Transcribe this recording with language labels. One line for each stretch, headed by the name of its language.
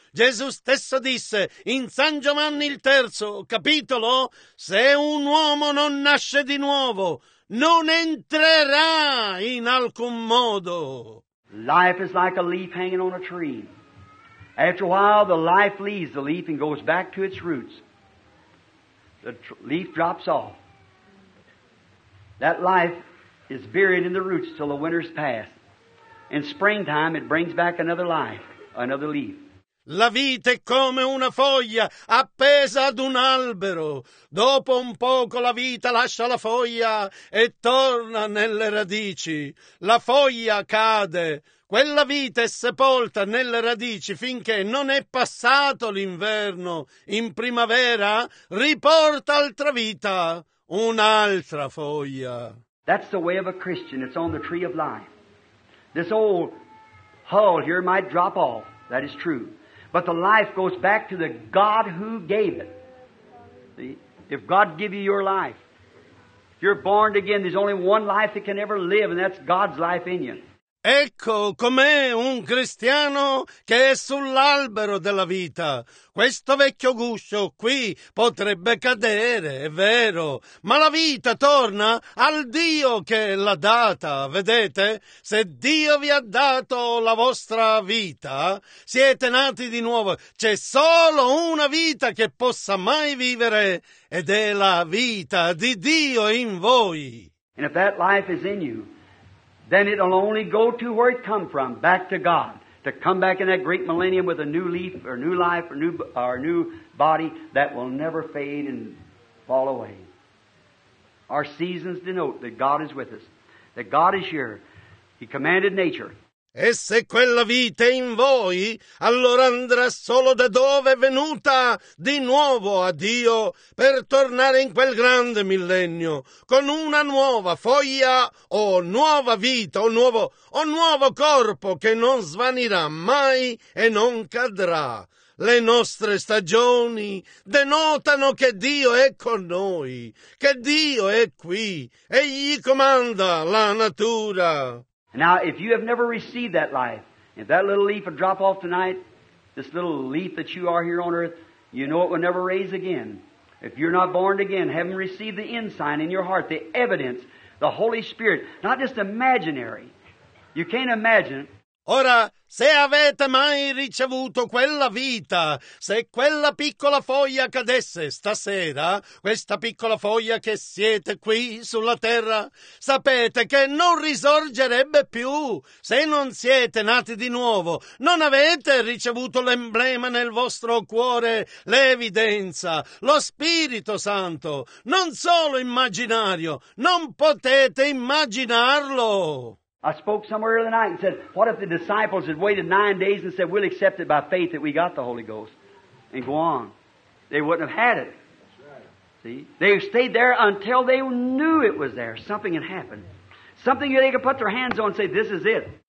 Italian: Gesù stesso disse in San Giovanni il 3 capitolo, se un uomo non nasce di nuovo, non entrerà in alcun modo.
English: Life is like a leaf hanging on a tree. After a while, the life leaves the leaf and goes back to its roots. The leaf drops off. That life is buried in the roots till the winter's past. In springtime, it brings back another life, another leaf.
Italian: La vita è come una foglia appesa ad un albero. Dopo un poco la vita lascia la foglia e torna nelle radici. La foglia cade. Quella vita è sepolta nelle radici finché non è passato l'inverno. In primavera riporta altra vita, un'altra foglia.
English: That's the way of a Christian. It's on the tree of life. This old hull here might drop off. That is true. But the life goes back to the God who gave it. See? If God give you your life, if you're born again, there's only one life that can ever live, and that's God's life in you.
Italian: Ecco com'è un cristiano che è sull'albero della vita. Questo vecchio guscio qui potrebbe cadere, è vero, ma la vita torna al Dio che l'ha data. Vedete, se Dio vi ha dato la vostra vita, siete nati di nuovo. C'è solo una vita che possa mai vivere ed è la vita di Dio in voi.
English: And if that life is in you, then it'll only go to where it come from, back to God, to come back in that great millennium with a new leaf or new life or new body that will never fade and fall away. Our seasons denote that God is with us, that God is here. He commanded nature.
Italian: E se quella vita è in voi, allora andrà solo da dove è venuta, di nuovo a Dio, per tornare in quel grande millennio, con una nuova foglia, o nuova vita, o nuovo corpo che non svanirà mai e non cadrà. Le nostre stagioni denotano che Dio è con noi, che Dio è qui, Egli comanda la natura.
English: Now, if you have never received that life, if that little leaf would drop off tonight, this little leaf that you are here on earth, you know it will never raise again. If you're not born again, haven't received the ensign in your heart, the evidence, the Holy Spirit, not just imaginary. You can't imagine it.
Italian: Ora, se avete mai ricevuto quella vita, se quella piccola foglia cadesse stasera, questa piccola foglia che siete qui sulla terra, sapete che non risorgerebbe più. Se non siete nati di nuovo, non avete ricevuto l'emblema nel vostro cuore, l'evidenza, lo Spirito Santo, non solo immaginario, non potete immaginarlo.
English: I spoke somewhere earlier tonight and said, what if the disciples had waited 9 days and said, we'll accept it by faith that we got the Holy Ghost and go on? They wouldn't have had it. That's right. See? They stayed there until they knew it was there. Something had happened. Something they could put their hands on and say, this is it.